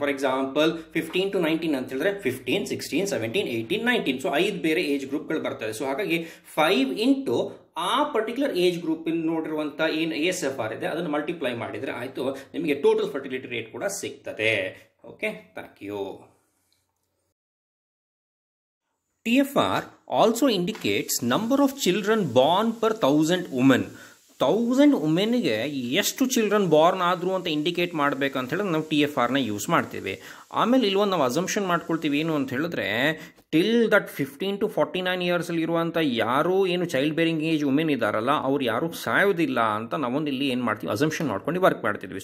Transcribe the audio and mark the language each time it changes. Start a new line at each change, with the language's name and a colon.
Kannada: For example 15 to 19 ಅಂತ ಹೇಳಿದ್ರೆ 15, 16, 17, 18, 19, so 5 ಬೇರೆ ಏಜ್ ಗ್ರೂಪ್ಗಳು ಬರ್ತವೆ. ಸೊ ಹಾಗಾಗಿ 5 ಆ ಪರ್ಟಿಕ್ಯುಲರ್ ಏಜ್ ಗ್ರೂಪಲ್ಲಿ ನೋಡಿರುವಂಥ ಏನು ಎ ಎಸ್ ಎಫ್ ಆರ್ ಇದೆ ಅದನ್ನು ಮಲ್ಟಿಪ್ಲೈ ಮಾಡಿದರೆ ಆಯಿತು, ನಿಮಗೆ ಟೋಟಲ್ ಫರ್ಟಿಲಿಟಿ ರೇಟ್ ಕೂಡ ಸಿಗ್ತದೆ.
English: Okay, thank you. TFR also indicates number of children born per 1,000 women.
Kannada: 1,000 women ಗೆ ಎಷ್ಟು ಚಿಲ್ಡ್ರನ್ ಬಾರ್ನ್ ಆದರೂ ಅಂತ ಇಂಡಿಕೇಟ್ ಮಾಡಬೇಕು ಅಂತ ಹೇಳಿದ್ರೆ ನಾವು TFRನ ಯೂಸ್ ಮಾಡ್ತೇವೆ. ಆಮೇಲೆ ಇಲ್ಲೊಂದು ನಾವು ಅಸಂಪ್ಷನ್ ಮಾಡ್ಕೊಳ್ತೀವಿ ಏನು ಅಂತ ಹೇಳಿದ್ರೆ, ಟಿಲ್ ದಟ್ 15 to 49 ಇಯರ್ಸ್ ಅಲ್ಲಿರುವಂಥ ಯಾರೂ ಏನು ಚೈಲ್ಡ್ ಬೇರಿಂಗ್ ಏಜ್ ವುಮೆನ್ ಇದ್ದಾರಲ್ಲ ಅವ್ರು ಯಾರೂ ಸಾಯೋದಿಲ್ಲ ಅಂತ ನಾವೊಂದು ಇಲ್ಲಿ ಏನು ಮಾಡ್ತೀವಿ ಅಸಂಪ್ಷನ್ ಮಾಡ್ಕೊಂಡು ವರ್ಕ್ ಮಾಡ್ತಿದ್ವಿ.